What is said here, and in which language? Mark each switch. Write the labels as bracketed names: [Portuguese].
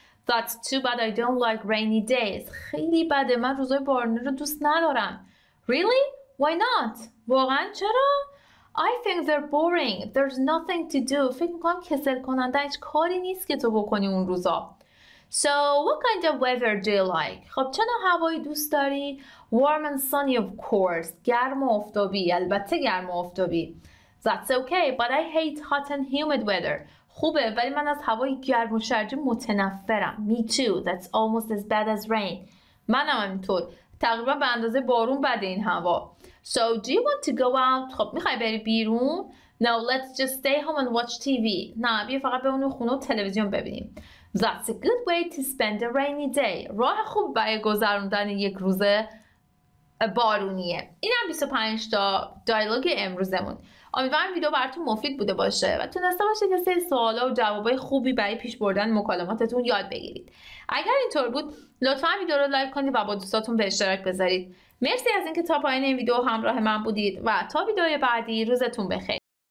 [English] That's too bad. I don't like rainy days. [Persian] خیلی بده. من روزای بارونی رو دوست ندارم. [English] Really? Why not? [Persian] واقعا چرا؟ [English] I think they're boring. There's nothing to do. [Persian] فکر میکنم کسل کننده. هیچ کاری نیست که تو بکنی اون روزا. [English] So, what kind of weather do you like? [Persian] خب چه نوع هوایی دوست داری؟ [English] Warm and sunny, of course. [Persian] گرم و آفتابی. البته گرم و آفتابی. [English] That's okay, but I hate hot and humid weather. [Persian] خوبه ولی من از هوای گرم و شرجی متنفرم. [English] Me too. That's almost as bad as rain. [Persian] منم همینطور. تقریبا به اندازه بارون بده این هوا. [English] So do you want to go out? [Persian] خب میخوای بری بیرون؟ [English] No, let's just stay home and watch TV. [Persian] نه بیا فقط بمونیم خونه و تلویزیون ببینیم. [English] That's a good way to spend a rainy day. [Persian] راه خوب برای گذروندن یک روز بارونیه. اینم 25 تا دیالوگ امروزمون. امیدوارم ویدیو براتون مفید بوده باشه و تونسته باشید یه سری سوالا و جوابای خوبی برای پیش بردن مکالماتتون یاد بگیرید. اگر اینطور بود لطفاً ویدیو رو لایک کنید و با دوستاتون به اشتراک بذارید. مرسی از اینکه تا پایان این ویدیو همراه من بودید و تا ویدیوی بعدی روزتون بخیر.